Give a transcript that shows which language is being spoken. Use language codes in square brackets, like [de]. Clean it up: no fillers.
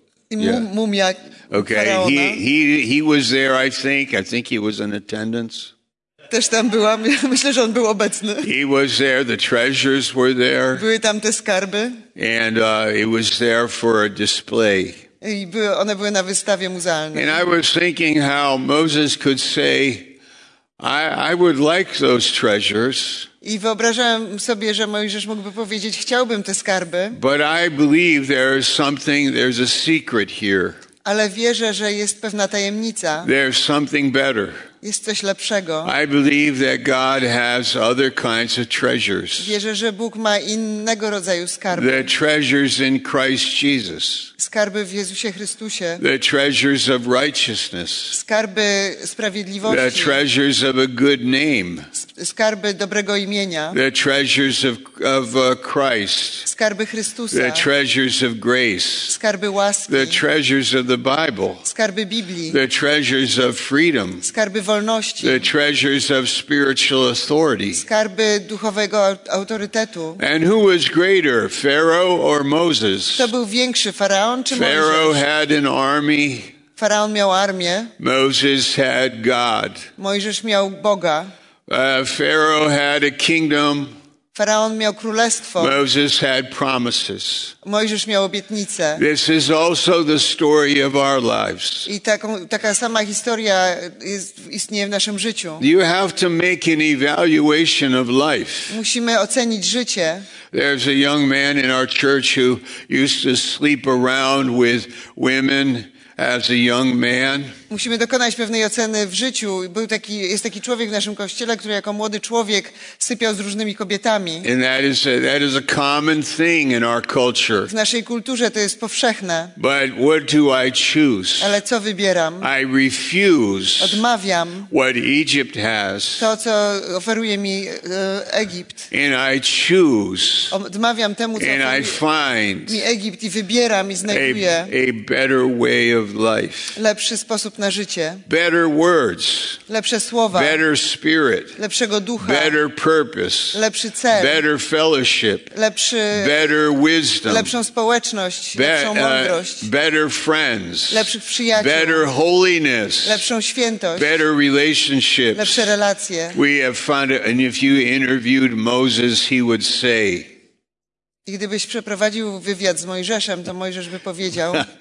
[pl] yeah. Mumia, okay, faraona. [en] He was there, I think he was in attendance. [pl] Też tam byłam. Myślę, że on był obecny. [en] He was there, the treasures were there. [pl] Były tam te skarby. [en] And it was there for a display. [pl] I one były na wystawie muzealnej. [en] And I was thinking how Moses could say, I would like those treasures. [pl] I wyobrażałem sobie, że Mojżesz mógłby powiedzieć, chciałbym te skarby. [en] But I believe there is something, there's a secret here. [pl] Ale wierzę, że jest pewna tajemnica. [en] There's something better. [pl] Jest coś lepszego. [en] I believe that God has other kinds of treasures. [pl] Wierzę, że Bóg ma innego rodzaju skarby. [en] The treasures in Christ Jesus. [pl] Skarby w Jezusie Chrystusie. [en] The treasures of righteousness. [pl] Skarby sprawiedliwości. [en] The treasures of a good name. [pl] Skarby dobrego imienia. [en] The treasures of Christ. [pl] Skarby Chrystusa. [en] The treasures of grace. [pl] Skarby łaski. [en] The treasures of the Bible. [pl] Skarby Biblii. [en] The treasures of freedom. [pl] Skarby wolności. [en] The treasures of spiritual authority. [pl] Skarby duchowego autorytetu. [en] And who was greater, Pharaoh or Moses? [pl] Kto był większy, faraon czy Mojżesz? [en] Pharaoh had an army. [pl] Faraon miał armię. [en] Moses had God. [pl] Mojżesz miał Boga. [en] Pharaoh had a kingdom. [pl] Faraon miał królestwo. [en] Moses had promises. [pl] Mojżesz miał obietnice. [en] This is also the story of our lives. [pl] I taka sama historia istnieje w naszym życiu. [en] You have to make an evaluation of life. [pl] Musimy ocenić życie. [en] There's a young man in our church who used to sleep around with women. As a young man, [pl] musimy dokonać pewnej oceny w życiu. Jest taki człowiek w naszym kościele, który jako młody człowiek sypiał z różnymi kobietami. [en] And that is a common thing in our culture. [pl] W naszej kulturze to jest powszechne. [en] But what do I choose? [pl] Ale co wybieram? [en] I refuse. [pl] Odmawiam. [en] What Egypt has. [pl] To co oferuje mi Egipt. [en] And I choose. [pl] Odmawiam temu co [en] and I find [pl] mi Egipt i wybieram i znajduję. [en] A better way. of life. [pl] Lepszy sposób na życie. [en] Better words. [pl] Lepsze słowa. [en] Better spirit. [pl] Lepszego ducha. [en] Better purpose. [pl] Lepszy cel. [en] Better fellowship. [pl] Lepszy. [en] Better wisdom. [pl] Lepszą społeczność. Lepszą mądrość. [en] Better friends. [pl] Lepszych przyjaciół. [en] Better holiness. [pl] Lepszą świętość. [en] Better relationships. [pl] Lepsze relacje. [en] We have found it, and if you interviewed Moses, he would say. [pl] I gdybyś przeprowadził wywiad z Mojżeszem, to Mojżesz by powiedział.